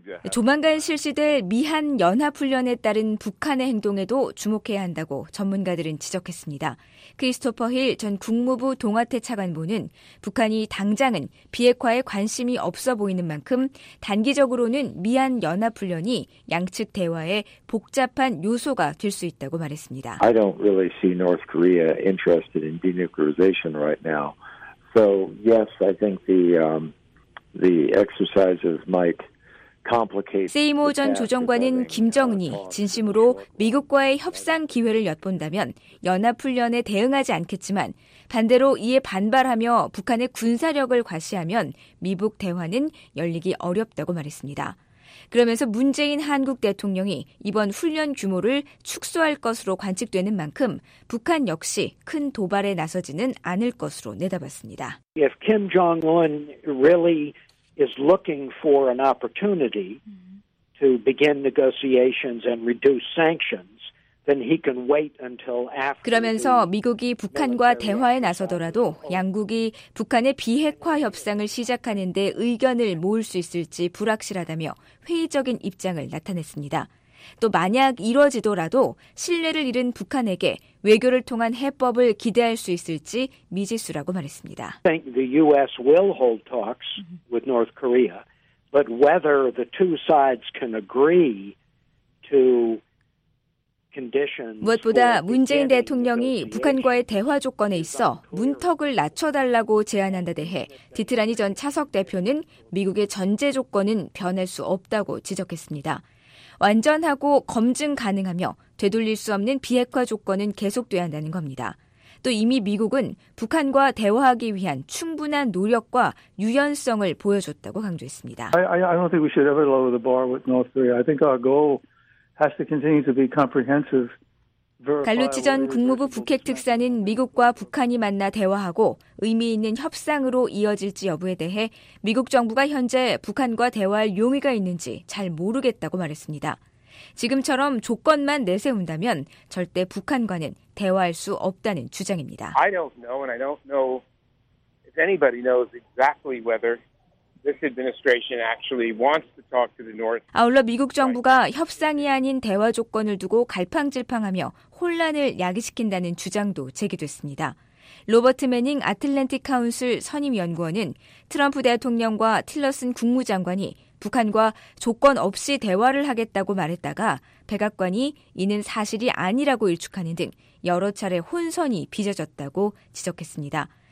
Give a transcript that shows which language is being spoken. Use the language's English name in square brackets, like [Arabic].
[Korean] 조만간 실시될 미한연합훈련에 따른 북한의 행동에도 주목해야 한다고 전문가들은 지적했습니다. 크리스토퍼 힐 전 국무부 동아태 차관보는 북한이 당장은 비핵화에 관심이 없어 보이는 만큼 단기적으로는 미한연합훈련이 양측 대화에 복잡한 요소가 될 수 있다고 말했습니다. [English] I don't really see North Korea interested in denuclearization right now. So, yes, I think the exercises might complicate. [Korean] 세이모 전 조정관은 김정은이 진심으로 미국과의 협상 기회를 엿본다면 연합훈련에 대응하지 않겠지만 반대로 이에 반발하며 북한의 군사력을 과시하면 미북 대화는 열리기 어렵다고 말했습니다. 그러면서 문재인 한국 대통령이 이번 훈련 규모를 축소할 것으로 관측되는 만큼 북한 역시 큰 도발에 나서지는 않을 것으로 내다봤습니다. [English] If Kim Jong-un really is looking for an opportunity to begin negotiations and reduce sanctions, then he can wait until after. [Korean] 그러면서 미국이 북한과 대화에 나서더라도 양국이 북한의 비핵화 협상을 시작하는 데 의견을 모을 수 있을지 불확실하다며 회의적인 입장을 나타냈습니다. 또 만약 이뤄지더라도 신뢰를 잃은 북한에게 외교를 통한 해법을 기대할 수 있을지 미지수라고 말했습니다. [English] I think the U.S. will hold talks with North Korea, but whether the two sides can agree to [Korean] 무엇보다 문재인 대통령이 북한과의 대화 조건에 있어 문턱을 낮춰달라고 제안한다 대해 디트라니 전 차석 대표는 미국의 전제 조건은 변할 수 없다고 지적했습니다. 완전하고 검증 가능하며 되돌릴 수 없는 비핵화 조건은 계속돼야 한다는 겁니다. 또 이미 미국은 북한과 대화하기 위한 충분한 노력과 유연성을 보여줬다고 강조했습니다. [English] I don't think we should ever lower the bar with North Korea. I think our goal has to continue to be comprehensive. [Korean] 갈루치 전 국무부 북핵 특사는 미국과 북한이 만나 대화하고 의미 있는 협상으로 이어질지 여부에 대해 미국 정부가 현재 북한과 대화할 용의가 있는지 잘 모르겠다고 말했습니다. 지금처럼 조건만 내세운다면 절대 북한과는 대화할 수 없다는 주장입니다. [English] I don't know and I don't know if anybody knows exactly whether this administration actually wants to talk to the North. [Korean] 아울러 미국 정부가 협상이 아닌 대화 조건을 두고 갈팡질팡하며 혼란을 야기시킨다는 주장도 제기됐습니다. 로버트 매닝 아틀랜틱 카운슬 선임 연구원은 트럼프 대통령과 틸러슨 국무장관이 북한과 조건 없이 대화를 하겠다고 말했다가 백악관이 이는 사실이 아니라고 일축하는 등 여러 차례 혼선이 빚어졌다고 지적했습니다.